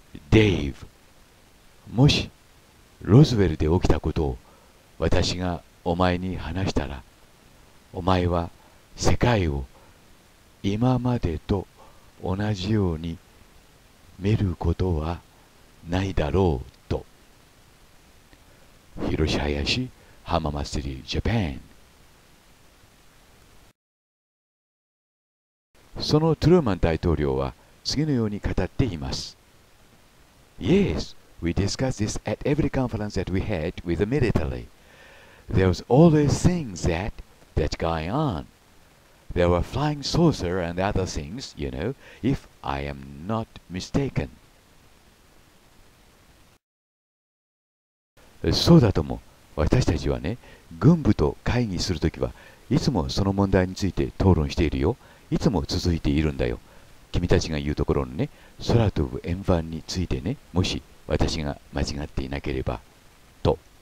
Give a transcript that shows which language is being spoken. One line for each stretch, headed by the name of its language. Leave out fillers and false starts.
Japanese: デイブ、もしロズウェルで起きたことを私がお前に話したら、お前は世界を今までと同じように見ることはないだろうと。広島市浜松市ジャパン。そのトルーマン大統領は次のように語っています。
English: Yes, we discussed this at every conference that we had with the military. There was always things that going on. There were flying saucer and other things, you know, if I am not mistaken.
Japanese: そうだとも、私たちはね、軍部と会議するときはいつもその問題について討論しているよ。いつも続いているんだよ。君たちが言うところのね、空飛ぶ円盤についてね、もし私が間違っていなければと。